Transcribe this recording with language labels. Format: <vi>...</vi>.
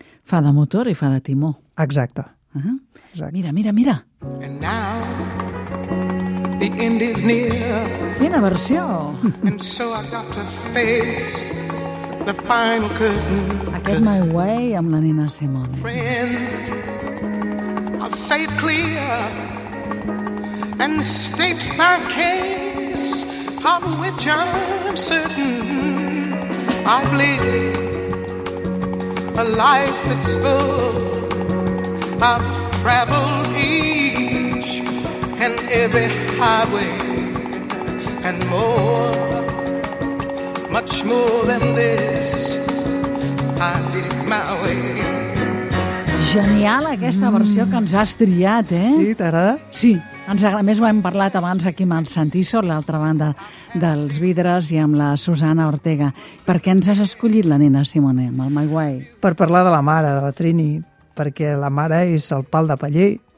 <ca>Fa de motor i fa de timó. Exacte. Exacte. Mira, mira, mira.</ca> <en>And now... The end is near.</en> <ca>Quina versió!</ca> <en>And so I got to face the final curtain.</en> <ca>Aquest My Way amb la Nina Simone.</ca> <en>Friends, I'll say it clear and state my case, of which I'm certain. I've lived a life that's full. I've traveled each and every highway and more, much more than this, I did it my way.</en> <ca>Genial aquesta versió que ens has triat, eh? Sí, t'agrada? Sí, ens agrada. A més ho hem parlat abans aquí amb el Santiso, l'altra banda dels vidres, i amb la Susana Ortega. Per què ens has escollit la Nina Simone amb el My Way? Per parlar de la mare, de la Trini, perquè la mare és el pal de paller.</ca>